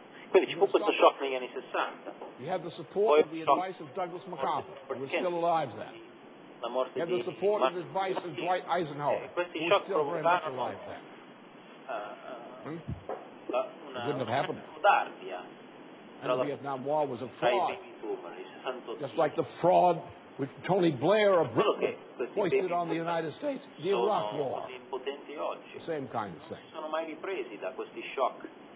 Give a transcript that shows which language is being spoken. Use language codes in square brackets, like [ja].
[it] Quindi ci fu questo shock negli anni 60. [en] You had the support of the advice of Douglas MacArthur, who was still alive then. You had the support and advice of Dwight Eisenhower, who was still very much alive then. It wouldn't have happened. And the Vietnam War was a fraud, just like the fraud which Tony Blair of Britain foisted on the United States, the Iraq War, the same kind of thing. [it] Sono mai ripresi da questi shock.